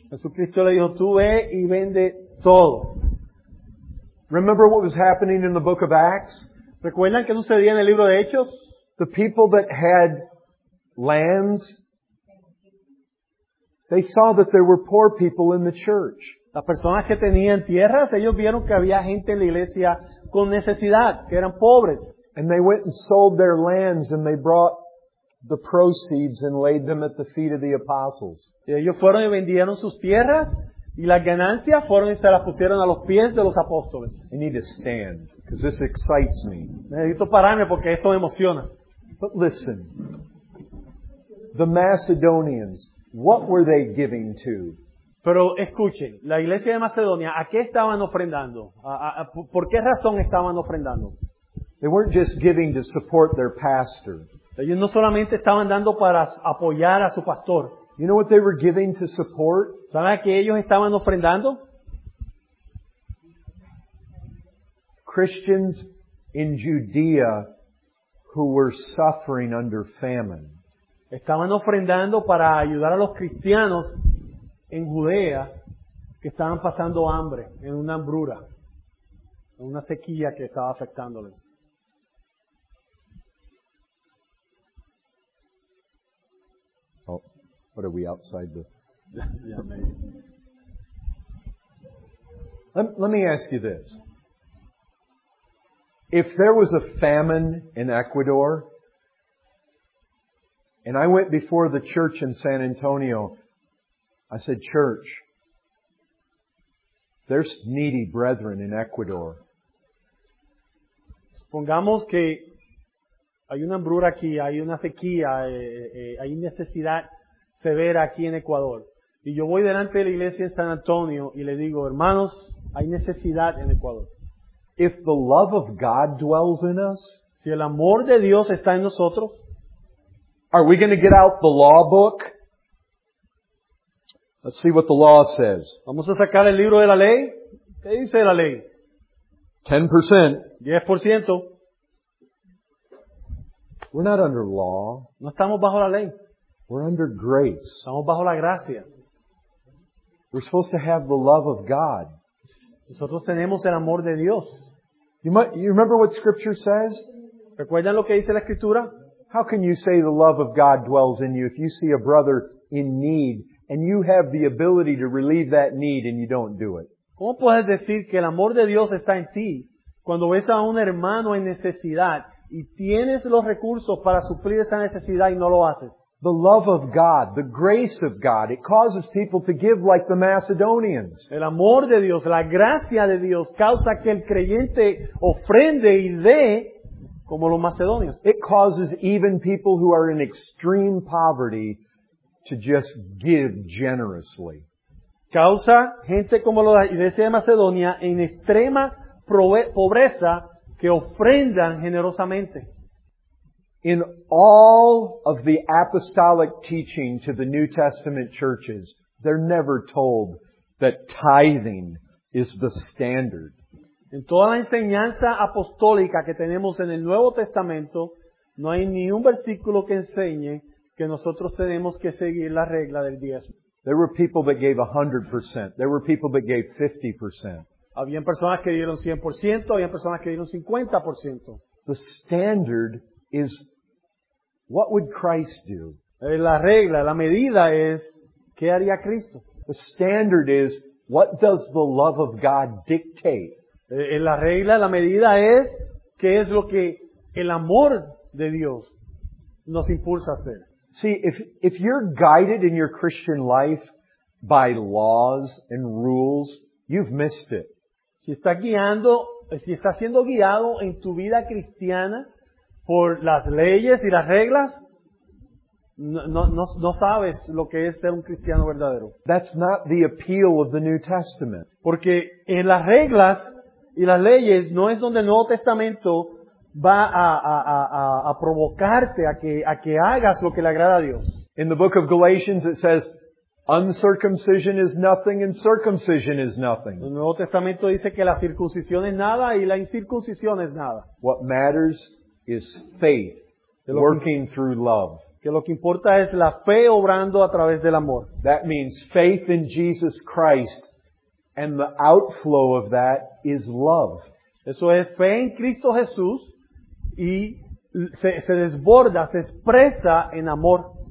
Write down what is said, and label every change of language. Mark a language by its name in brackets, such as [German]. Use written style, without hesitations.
[Spanish] Jesucristo le dijo, tú ve y vende todo. [English] Remember what was happening in the book of Acts? [Spanish] ¿Recuerdan qué sucedía en el libro de Hechos? [English] The people that had lands, they saw that there were poor people in the church. [Spanish] Las personas que tenían tierras, ellos vieron que había gente en la iglesia con necesidad, que eran pobres. [English] And they went and sold their lands and they brought the proceeds and laid them at the feet of the apostles. [Spanish] Y ellos fueron y vendieron sus tierras y las ganancias fueron y se las pusieron a los pies de los apóstoles. [English] I need to stand because this excites me. [Spanish] Necesito pararme porque esto me emociona. [English] But listen, the Macedonians, what were they giving to? [Spanish] Pero escuchen, la iglesia de Macedonia, ¿a qué estaban ofrendando? ¿Por qué razón estaban ofrendando? [English] They weren't just giving to support their pastor. [Spanish] Ellos no solamente estaban dando para apoyar a su pastor. [English] You know what they were giving to support? [Spanish] ¿Saben a qué ellos estaban ofrendando? [English] Christians in Judea who were suffering under famine. [Spanish] Estaban ofrendando para ayudar a los cristianos en Judea que estaban pasando hambre, en una hambrura, en una sequía que estaba afectándoles. [English] What are we outside the... Yeah, maybe. Let me ask you this. If there was a famine in Ecuador, and I went before the church in San Antonio, I said, church, there's needy brethren in Ecuador. [Spanish] Supongamos que hay una hambrura aquí, hay una sequía, hay necesidad severa aquí en Ecuador. Y yo voy delante de la iglesia en San Antonio y le digo, hermanos, hay necesidad en Ecuador. [English] If the love of God dwells in us, [Spanish] si el amor de Dios está en nosotros, [English] are we going to get out the law book? Let's see what the law says. [Spanish] Vamos a sacar el libro de la ley. ¿Qué dice la ley? [English] 10%. [Spanish] 10%. [English] We're not under law. [Spanish] No estamos bajo la ley. [English] We're under grace. [Spanish] Estamos bajo la gracia. [English] We're supposed to have the love of God. [Spanish] Nosotros tenemos el amor de Dios. [English] You remember what Scripture says? [Spanish] ¿Recuerdan lo que dice la Escritura? [English] How can you say the love of God dwells in you if you see a brother in need and you have the ability to relieve that need and you don't do it? [Spanish] ¿Cómo puedes decir que el amor de Dios está en ti cuando ves a un hermano en necesidad y tienes los recursos para suplir esa necesidad y no lo haces? [English] The love of God, the grace of God, it causes people to give like the Macedonians. [Spanish] El amor de Dios, la gracia de Dios, causa que el creyente ofrende y dé como los macedonios. [English] It causes even people who are in extreme poverty to just give generously. [Spanish] Causa gente como la iglesia de Macedonia en extrema pobreza que ofrendan generosamente. [English] In all of the apostolic teaching to the New Testament churches, they're never told that tithing is the standard. [Spanish] En toda la enseñanza apostólica que tenemos en el Nuevo Testamento, no hay ni un versículo que enseñe que nosotros tenemos que seguir la regla del diezmo. [English] There were people that gave 100%. There were people that gave 50%. [Spanish] Habían personas que dieron 100%, habían personas que dieron 50%. [English] The standard is, what would Christ do? [Spanish] La regla, la medida es, ¿qué haría Cristo? [English] The standard is, what does the love of God dictate? [Spanish] La regla, la medida es, ¿qué es lo que el amor de Dios nos impulsa a hacer? [English] See, if you're guided in your Christian life by laws and rules, you've missed it. [Spanish] Si está siendo guiado en tu vida cristiana por las leyes y las reglas, no sabes lo que es ser un cristiano verdadero. [English] That's not the appeal of the New Testament. [Spanish] Porque en las reglas y las leyes no es donde el Nuevo Testamento va a provocarte a que hagas lo que le agrada a Dios. [English] In the book of Galatians it says, uncircumcision is nothing and circumcision is nothing. [Spanish] El Nuevo Testamento dice que la circuncisión es nada y la incircuncisión es nada. [English] What matters is faith working through love. [Spanish] Que lo que importa es la fe obrando a través del amor. [English] That means faith in Jesus Christ, and the outflow of that is love. [Spanish] Eso es fe en Cristo Jesús y se desborda, se expresa en amor.